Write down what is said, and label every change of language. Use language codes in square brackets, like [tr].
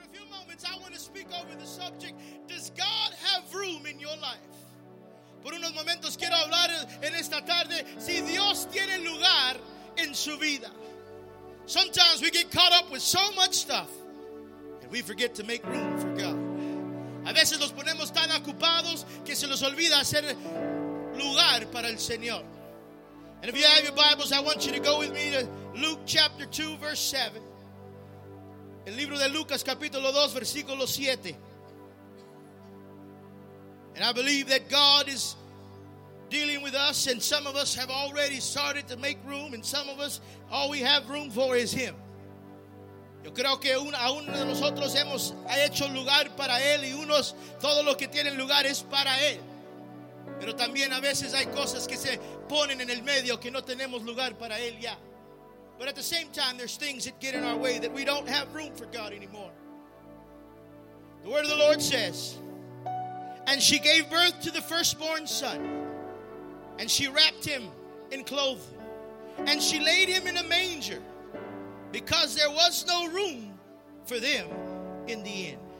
[en] moments, I want to speak over the subject, does God have room in your life? [es] Por unos momentos quiero hablar en esta tarde, si Dios tiene lugar en su vida. [en] Sometimes we get caught up with so much stuff, and we forget to make room for God. [es] A veces nos ponemos tan ocupados que se nos olvida hacer lugar para el Señor. [en] And if you have your Bibles, I want you to go with me to Luke chapter 2, verse 7. [es] El libro de Lucas, capítulo 2, versículo 7. [en] And I believe that God is dealing with us, and some of us have already started to make room, and some of us, all we have room for is Him. [es] Yo creo que aún de nosotros hemos hecho lugar para Él, y unos, todo lo que tienen lugar es para Él. Pero también a veces hay cosas que se ponen en el medio que no tenemos lugar para él ya. [en] But at the same time, there's things that get in our way that we don't have room for God anymore. The word of the Lord says, and she gave birth to the firstborn son, and she wrapped him in clothing, and she laid him in a manger, because there was no room for them in the inn.